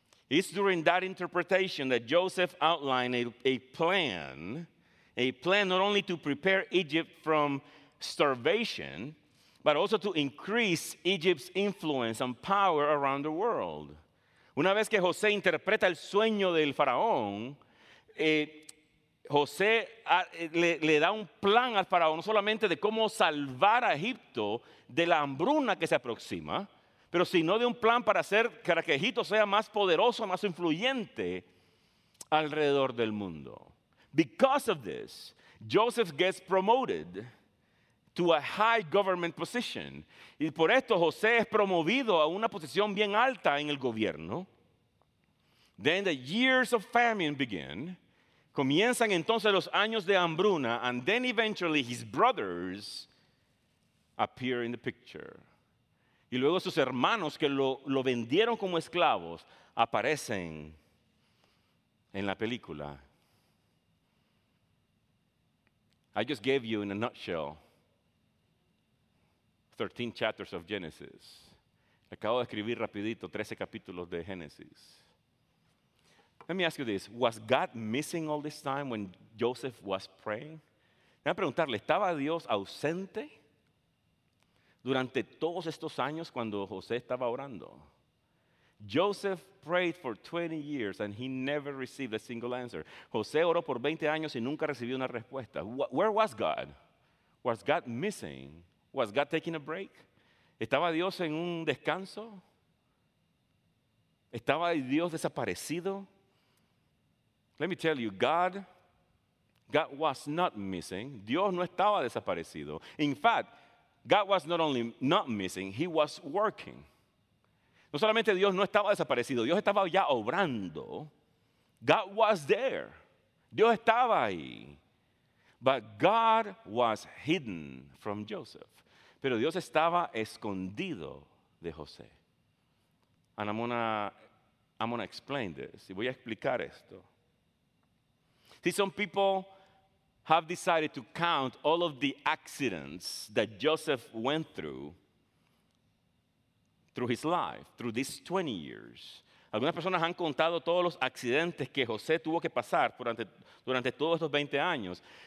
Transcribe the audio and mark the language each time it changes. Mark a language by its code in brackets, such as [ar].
[en] It's during that interpretation that Joseph outlined a plan not only to prepare Egypt from starvation, but also to increase Egypt's influence and power around the world. [es] Una vez que José interpreta el sueño del faraón, José le da un plan al faraón, no solamente de cómo salvar a Egipto de la hambruna que se aproxima, pero sino de un plan para que Egipto sea más poderoso, más influyente alrededor del mundo. [en] Because of this, Joseph gets promoted to a high government position. [es] Y por esto José es promovido a una posición bien alta en el gobierno. [en] Then the years of famine begin. [es] Comienzan entonces los años de hambruna, [en] and then eventually his brothers appear in the picture. [es] Y luego sus hermanos que lo vendieron como esclavos aparecen en la película. [en] I just gave you, in a nutshell, 13 chapters of Genesis. [es] Acabo de escribir rapidito 13 capítulos de Génesis. [en] Let me ask you this. Was God missing all this time when Joseph was praying? [es] Déjame preguntarle, ¿estaba Dios ausente durante todos estos años cuando José estaba orando? [en] Joseph prayed for 20 years and he never received a single answer. [es] José oró por 20 años y nunca recibió una respuesta. [en] Where was God? Was God missing? Was God taking a break? [es] ¿Estaba Dios en un descanso? ¿Estaba Dios desaparecido? [en] Let me tell you, God was not missing. [es] Dios no estaba desaparecido. [en] In fact, God was not only not missing, he was working. [es] No solamente Dios no estaba desaparecido, Dios estaba ya obrando. [en] God was there. [es] Dios estaba ahí. [en] But God was hidden from Joseph. [es] Pero Dios estaba escondido de José. [en] And I'm gonna explain this. [es] Y voy a explicar esto. [en] See, some people have decided to count all of the accidents that Joseph went through his life, through these 20 years. [es] Algunas personas han contado todos los accidentes que José tuvo que pasar durante todos estos 20 años.